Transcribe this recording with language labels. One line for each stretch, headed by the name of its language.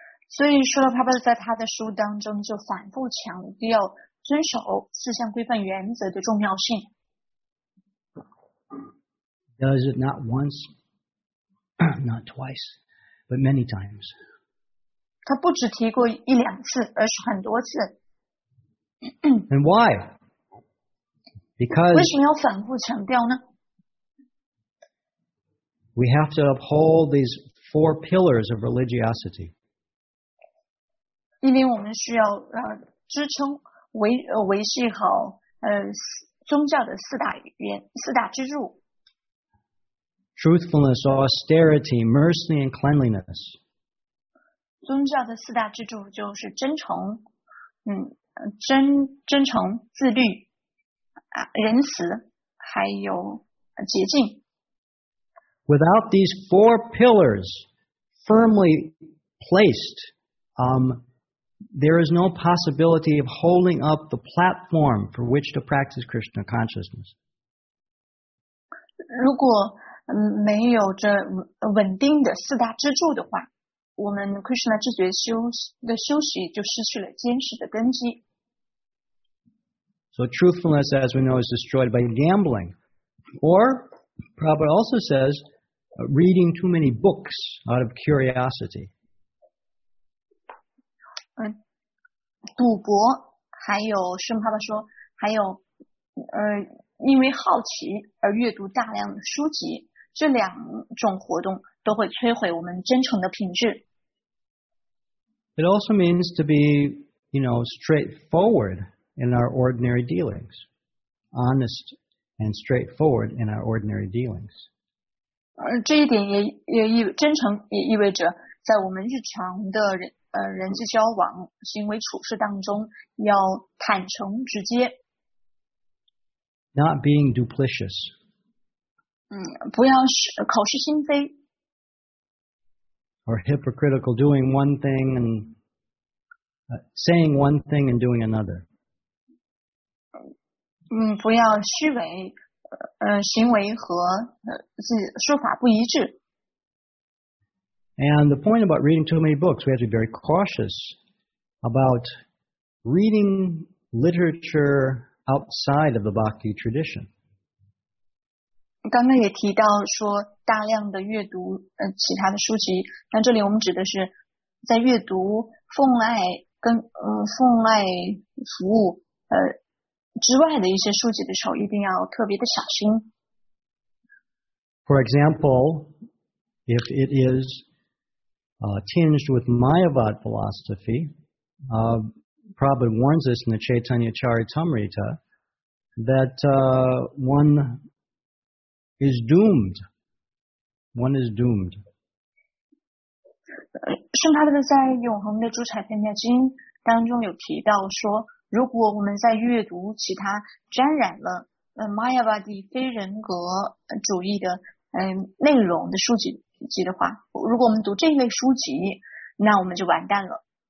Chinese: 所以舍勒帕巴在他的书当中就反复强调遵守四项规范原则的重要性。
English: Does it not once, not twice, but many times?
Chinese: 他不只提过一两次，而是很多次。
English: And why? Because
Chinese: 为什么要反复强调呢？
English: We have to uphold these four pillars of religiosity.
Chinese: 因为我们需要支撑维系好宗教的四大支柱。
English: Truthfulness, austerity, mercy, and cleanliness.
Chinese: 宗教的四大支柱就是真诚，真诚、自律、仁慈，还有洁净。
English: Without these four pillars firmly placed, there is no possibility of holding up the platform for which to practice Krishna consciousness.
Chinese: 如果没有这稳定的四大支柱的话，我们 Krishna 知觉修习就失去了坚实的根基。
English: So truthfulness, as we know, is destroyed by gambling. Or, Prabhupada also says, reading too many books out of curiosity.
Chinese: 赌博，还有圣帕巴说，还有因为好奇而阅读大量的书籍。这两种活动都会摧毁我们真诚的品质。
English: It also means to be, you know, straightforward in our ordinary dealings. Honest and straightforward in our ordinary dealings.
Chinese: 这一点真诚也意味着在我们日常的人际交往、行为处事当中要坦诚直接。
English: Not being duplicious.
Chinese: 不要口是心非。
English: Or hypocritical, doing one thing and saying one thing and doing another.
Chinese: 不要虚伪，行为和说法不一致。
English: And the point about reading too many books, we have to be very cautious about reading literature outside of the bhakti tradition.
Chinese: 刚刚也提到说大量的阅读其他的书籍，那这里我们指的是在阅读奉爱跟奉爱服务之外的一些书籍的时候，一定要特别的小心。
English: For example, if it is tinged with Mayavad philosophy, Prabhupada warns us in the Chaitanya Charitamrita that one is doomed.
Chinese: 圣帕巴在《永恒的主宰篇》的经当中有提到说，如果我们在阅读其他沾染了Mayavadi非人格主义的内容的书籍的话，如果我们读这一类书籍，那我们就完蛋了。